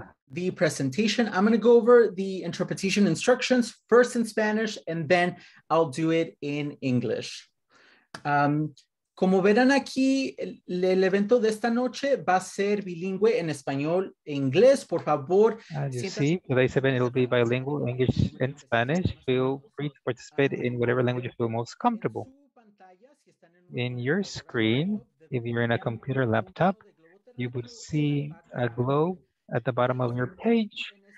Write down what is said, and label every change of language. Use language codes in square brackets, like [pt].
[en] The presentation, I'm gonna go over the interpretation instructions first in Spanish and then I'll do it in English. [es] Como verán aquí, el evento de esta noche va a ser bilingüe en español e inglés, por favor. [en] Today's event will be bilingual, English and Spanish. Feel free to participate in whatever language you feel most comfortable. In your screen, if you're in a computer laptop, you would see a globe at the bottom of your page.